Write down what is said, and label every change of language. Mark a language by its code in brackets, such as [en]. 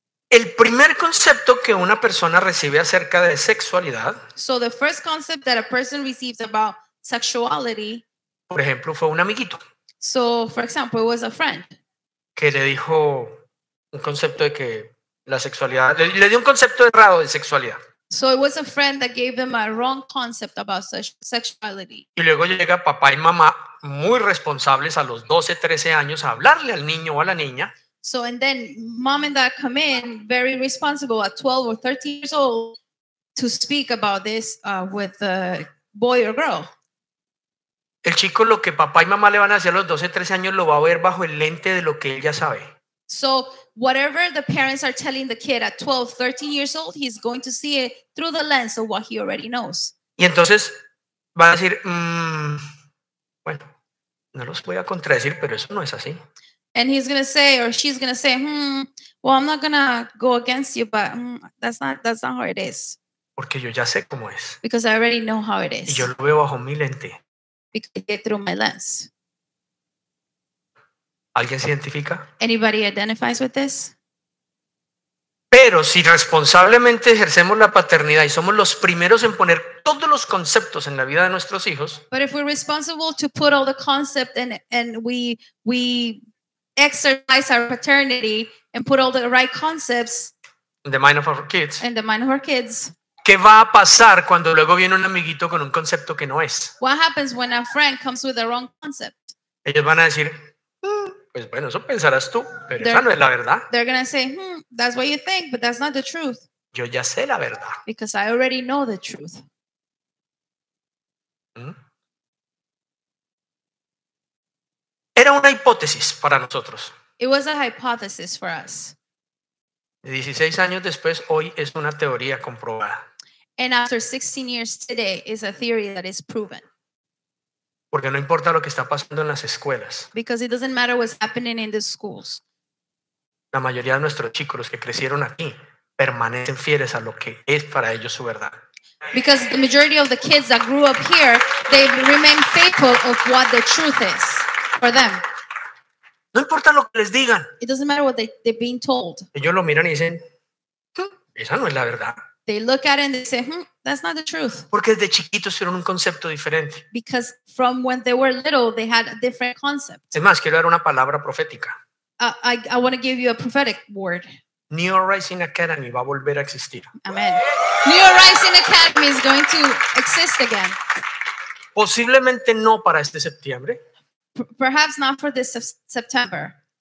[es] El primer concepto que una persona recibe acerca de sexualidad. [en] So the first concept that a person receives about sexuality. [es] Por ejemplo, fue un amiguito. [en] So, for example, it was a friend. [es] Que le dijo un concepto de que la sexualidad, le dio un concepto errado de sexualidad. [en] So it was a friend that gave them a wrong concept about sexuality. [es] Y luego llega papá y mamá muy responsables a los 12, 13 años a hablarle al niño o a la niña. [en] So, and then mom and dad come in very responsible at 12 or 13 years old to speak about this with the boy or girl. [es] El chico, lo que papá y mamá le van a hacer a los 12, 13 años, lo va a ver bajo el lente de lo que él ya sabe. [en] So, whatever the parents are telling the kid at 12, 13 years old, he's going to see it through the lens of what he already knows. [es] Y entonces va a decir, no los voy a contradecir, pero eso no es así. [en] And he's going to say, or she's going to say, well, I'm not going to go against you, but that's not how it is. [es] Porque yo ya sé cómo es. [en] Because I already know how it is. [es] Y yo lo veo bajo mi lente. [en] Because I get through my lens. [es] ¿Alguien se identifica? [en] Anybody identifies with this? [es] Pero si responsablemente ejercemos la paternidad y somos los primeros en poner todos los conceptos en la vida de nuestros hijos. [en] But if we're responsible to put all the concepts and we exercise our paternity and put all the right concepts in the mind of our kids. [es] ¿Qué va a pasar cuando luego viene un amiguito con un concepto que no es? [en] What happens when a friend comes with the wrong concept? [es] Ellos van a decir, pues bueno, eso pensarás tú, pero esa no es la verdad. [en] They're going to say, that's what you think, but that's not the truth. [es] Yo ya sé la verdad. [en] Because I already know the truth. [es] Era una hipótesis para nosotros. [en] It was a hypothesis for us. [es] 16 años después, hoy es una teoría comprobada. [en] And after 16 years today, is a theory that is proven. [es] Porque no importa lo que está pasando en las escuelas. [en] Because it doesn't matter what's happening in the schools. [es] La mayoría de nuestros chicos, los que crecieron aquí, permanecen fieles a lo que es para ellos su verdad. [en] Because the majority of the kids that grew up here, they remain faithful of what the truth is. For them. [es] No importa lo que les digan. [en] It doesn't matter what they're being told. [es] Ellos lo miran y dicen, esa no es la verdad. [en] They look at it and they say, that's not the truth. [es] Porque desde chiquitos tuvieron un concepto diferente. [en] Because from when they were little, they had a different concept. [es] Es más, quiero dar una palabra profética. [en] I want to give you a prophetic word. [es] Neo Rising Academy va a volver a existir. [en] Amen. Neo Rising Academy is going to exist again. [es] Posiblemente no para este septiembre. [en] Perhaps not for this September.